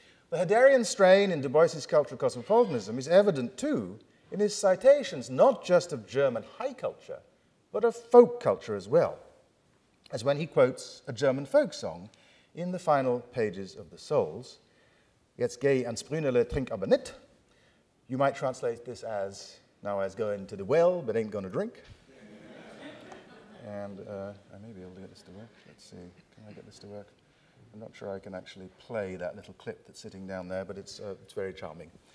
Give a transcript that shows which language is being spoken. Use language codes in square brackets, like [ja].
[en] The Herderian strain in DuBois's cultural cosmopolitanism is evident, too, in his citations not just of German high culture, but of folk culture as well, as when he quotes a German folk song in the final pages of The Souls. [de] Jetzt geh ans Brünele, trink aber nicht. [en] You might translate this as, now I's going to the well, but ain't gonna drink. And I may be able to get this to work. Let's see, can I get this to work? I'm not sure I can actually play that little clip that's sitting down there, but it's very charming.